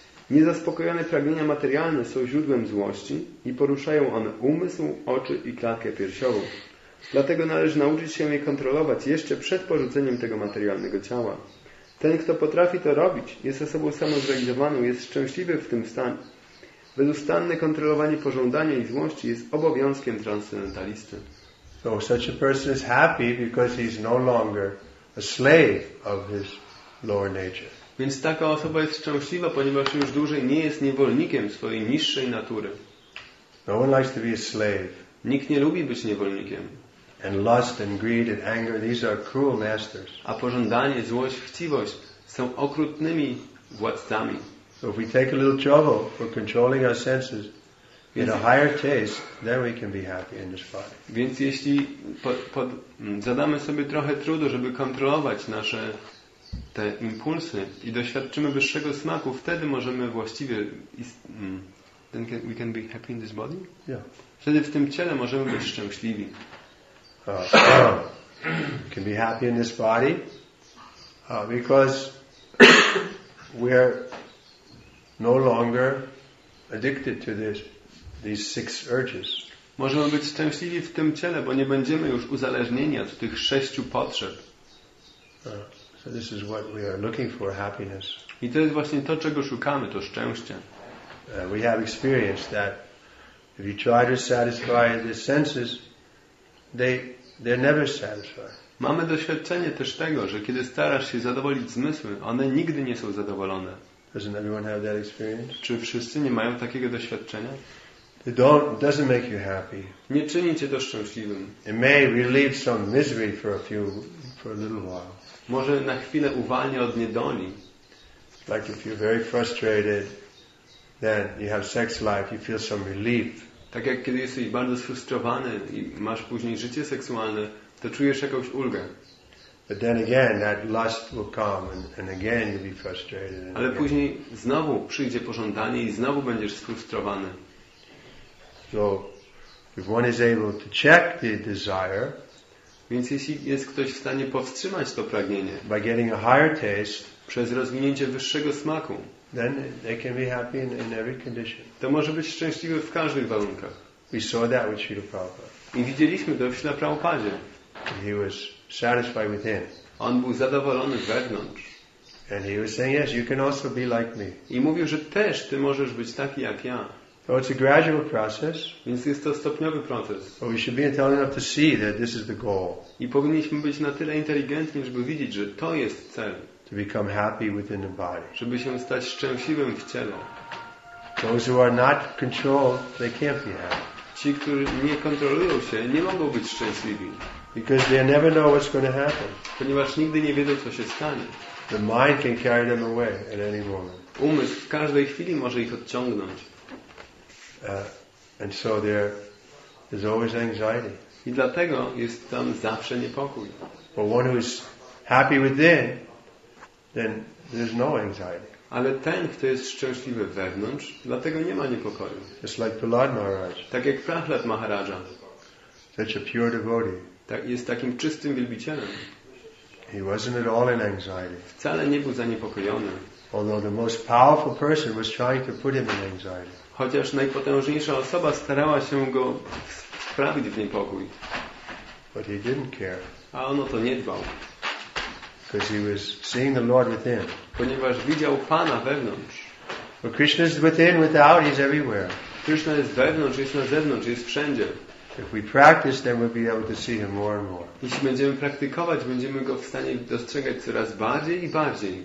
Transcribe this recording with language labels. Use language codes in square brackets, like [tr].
[pl] Niezaspokojone pragnienia materialne są źródłem złości i poruszają one umysł, oczy i klatkę piersiową. Dlatego należy nauczyć się je kontrolować jeszcze przed porzuceniem tego materialnego ciała. Ten, kto potrafi to robić, jest osobą samozrealizowaną, jest szczęśliwy w tym stanie. Bezustanne kontrolowanie pożądania i złości jest obowiązkiem transcendentalisty. [en] So such a person is happy because he's no longer a slave of his lower nature. [pl] Więc taka osoba jest szczęśliwa, ponieważ już dłużej nie jest niewolnikiem swojej niższej natury. [en] No one likes to be a slave. [pl] Nikt nie lubi być niewolnikiem. [en] And lust and greed and anger, these are cruel masters. [pl] A pożądanie, złość, chciwość są okrutnymi władcami. [en] So if we take a little trouble for controlling our senses in a higher taste, then we can be happy in this body. [pl] Więc jeśli zadamy sobie trochę trudu, żeby kontrolować nasze te impulsy i doświadczymy wyższego smaku, wtedy możemy właściwie [en] we can be happy in this body? Yeah. [pl] Wtedy w tym ciele możemy być szczęśliwi. [en] Can be happy in this body because we are no longer addicted to these six urges. [pl] Możemy być szczęśliwi w tym ciele, bo nie będziemy już uzależnieni od tych sześciu potrzeb. [en] So this is what we are looking for, happiness. [pl] I to jest właśnie to, czego szukamy, to szczęście. [en] We have experienced that if you try to satisfy the senses, they're never satisfied. [pl] Mamy doświadczenie też tego, że kiedy starasz się zadowolić zmysły, one nigdy nie są zadowolone. [en] Doesn't everyone have that experience? [pl] Czy wszyscy nie mają takiego doświadczenia? [en] Doesn't make you happy. [pl] Nie czyni cię to szczęśliwym. [en] It may relieve some misery for a little while. [pl] Może na chwilę uwalnia od niedoli. [en] Like if you're very frustrated, then you have sex life, you feel some relief. [pl] Tak jak kiedy jesteś bardzo sfrustrowany i masz później życie seksualne, to czujesz jakąś ulgę. [en] But then again, that lust will come, and again you'll be frustrated. [pl] Ale później znowu przyjdzie pożądanie i znowu będziesz sfrustrowany. [en] So, if one is able to check the desire. [pl] Więc jeśli jest ktoś w stanie powstrzymać to pragnienie, [en] by getting a higher taste, [pl] przez rozwinięcie wyższego smaku, [en] then they can be happy in every condition. [pl] To może być szczęśliwy w każdych warunkach. [en] We saw that with Śrīla Prabhupāda. [pl] I widzieliśmy to w Śrīla Prabhupādzie. [en] He was satisfied within. [pl] On był zadowolony wewnątrz. [en] And he was saying, yes, you can also be like me. [pl] I mówił, że też ty możesz być taki jak ja. [en] So it's a gradual process. [pl] Więc jest to stopniowy proces. [en] But we should be intelligent enough to see that this is the goal. [pl] I powinniśmy być na tyle inteligentni, żeby widzieć, że to jest cel. [en] To become happy within the body. [pl] Żeby się stać szczęśliwym w ciele. [en] Those who are not controlled, they can't be happy. [pl] ci, którzy nie kontrolują się, nie mogą być szczęśliwi. [en] Because they never know what's going to happen. [pl] Ponieważ nigdy nie wiedzą, co się stanie. [en] The mind can carry them away at any moment. [pl] Umysł w każdej chwili może ich odciągnąć. [en] And so there is always anxiety. [pl] I dlatego jest tam zawsze niepokój. [en] But one who is happy within, then there's no anxiety. [pl] Ale ten, kto jest szczęśliwy wewnątrz, dlatego nie ma niepokoju. [en] Just like Prahlad Maharaj. [pl] Tak jak Prahlad Maharaja. [en] Such a pure devotee. [pl] Tak, jest takim czystym wielbicielem. [en] He wasn't at all in anxiety. [pl] Wcale nie był zaniepokojony. [en] Although the most powerful person was trying to put him in anxiety. [pl] Chociaż najpotężniejsza osoba starała się go wprawić w niepokój. [en] But he didn't care. [pl] A on o to nie dbał. [en] Because he was seeing the Lord within. [pl] Ponieważ widział Pana wewnątrz. [en] But Krishna is within, without, he's everywhere. [pl] Krishna jest wewnątrz, jest na zewnątrz, jest wszędzie. [en] If we practice, then we'll be able to see him more and more. [pl] Jeśli będziemy praktykować, będziemy go w stanie dostrzegać coraz bardziej i bardziej.